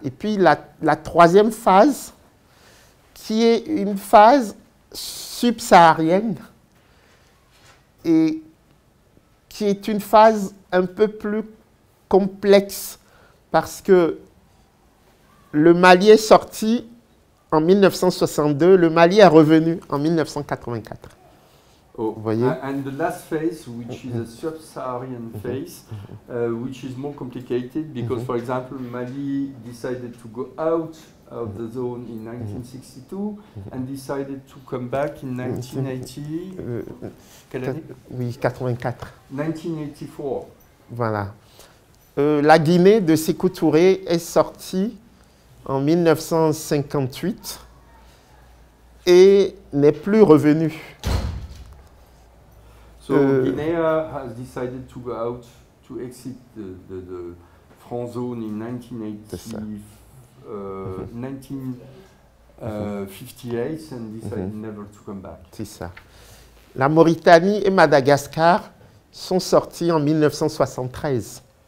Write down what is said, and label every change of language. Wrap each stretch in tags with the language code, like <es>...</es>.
<fr>Et puis la troisième phase, qui est une phase subsaharienne et qui est une phase un peu plus complexe parce que le Mali est sorti en 1962, le Mali est revenu en 1984. Oh, voyez.</fr> <en>And the last phase, which is a sub-Saharan phase, which is more complicated because, for example, Mali decided to go out of the zone in 1962 and decided to come back in 1980.</en> <fr>Quelle année? Oui, 84. 1984. Voilà. La Guinée de Sékou Touré est sortie en 1958 et n'est plus revenue.</fr> <en>So Guinea has decided to go out, to exit the franc zone in 1958 and decided never to come back.</en> <fr>C'est ça. La Mauritanie et Madagascar sont sortis en 1973.</fr>